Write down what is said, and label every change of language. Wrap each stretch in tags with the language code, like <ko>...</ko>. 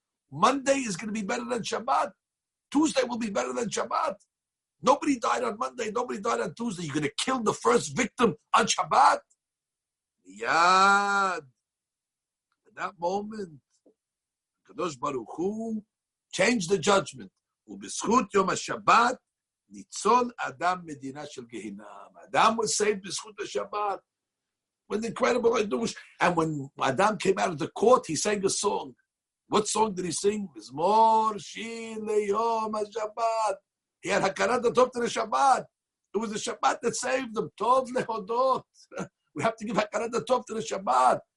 <en>Monday is going to be better than Shabbat. Tuesday will be better than Shabbat. Nobody died on Monday. Nobody died on Tuesday. You're going to kill the first victim on Shabbat? Yad. At that moment, HaKadosh Baruch Hu changed the judgment.</en> <he>ובזכות יום השבת, ניצול אדם מדינה של גיהנם.</he> <en>אדם was saved</en> <he>בזכות השבת.</he> <en>When the incredible Hadush, and when Adam came out of the court, he sang a song. What song did he sing?</en> <he>מזמור שיר ליום השבת.</he> <en>He had הכרת הטוב to the Shabbat. It was the Shabbat that saved them.</en> <he>טוב להודות.</he> <en>We have to give הכרת הטוב to the Shabbat.</en>